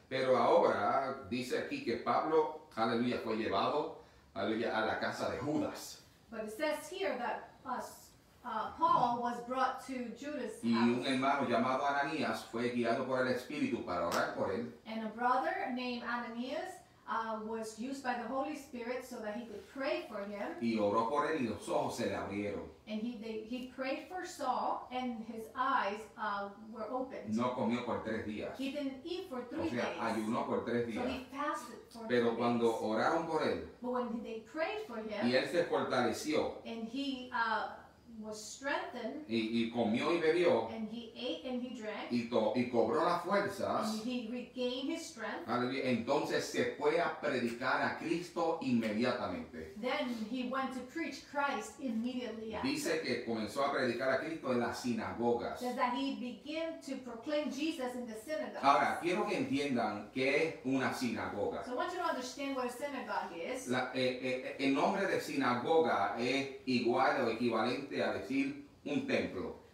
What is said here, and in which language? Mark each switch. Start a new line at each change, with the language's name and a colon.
Spanish: Pero ahora dice aquí que Pablo, aleluya, fue llevado, aleluya, a la casa de Judas.
English: But it says here that Paul was brought to Judas.
Spanish: Y un hermano llamado Ananías fue guiado por el Espíritu para orar por él.
English: And a brother named Ananias was used by the Holy Spirit so that he could pray for him.
Spanish: Y oró por él y los ojos se le abrieron.
English: And he prayed for Saul and his eyes were opened.
Spanish: No comió por tres días.
English: He didn't eat for three days.
Spanish: O sea, ayunó por tres días.
English: So he fasted for three days.
Spanish: Pero cuando oraron por él.
English: But when they prayed for him.
Spanish: Y él se fortaleció.
English: And he was strengthened.
Spanish: Y comió y bebió.
English: And he ate and he drank.
Spanish: Y cobró las fuerzas.
English: And he regained his strength.
Spanish: Entonces se fue a predicar a Cristo inmediatamente.
English: Then he went to preach Christ immediately after.
Spanish: Dice que comenzó a predicar a Cristo en las sinagogas.
English: Says that he began to proclaim Jesus in the synagogues.
Spanish: Ahora, quiero que entiendan qué es una sinagoga.
English: So I want you to understand what a synagogue is.
Spanish: El nombre de sinagoga es igual o equivalente a decir un templo.